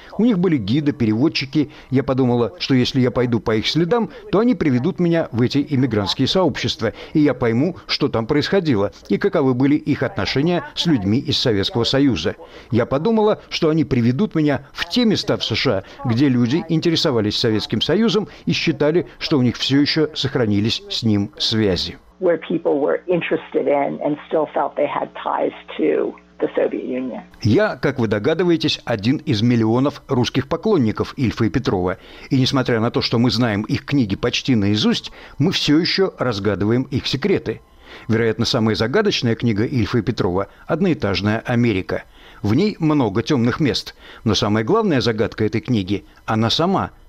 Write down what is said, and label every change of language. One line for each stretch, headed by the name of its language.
Russian: У них были гиды, переводчики. Я подумала, что если я пойду по их следам, то они приведут меня в эти иммигрантские сообщества, и я пойму, что там происходило, и каковы были их отношения с людьми из Советского Союза. Я подумала, что они приведут меня в те места в США, где люди интересовались Советским Союзом и считали, что у них все еще сохранились с ним связи.
English: Where people were interested in and still felt they had ties to the Soviet Union.
Russian: Я, как вы догадываетесь, один из миллионов русских поклонников Ильфа и Петрова. И несмотря на то, что мы знаем их книги почти наизусть, мы все еще разгадываем их секреты. Вероятно, самая загадочная книга Ильфа и Петрова – «Одноэтажная Америка». В ней много темных мест. Но самая главная загадка этой книги – она сама.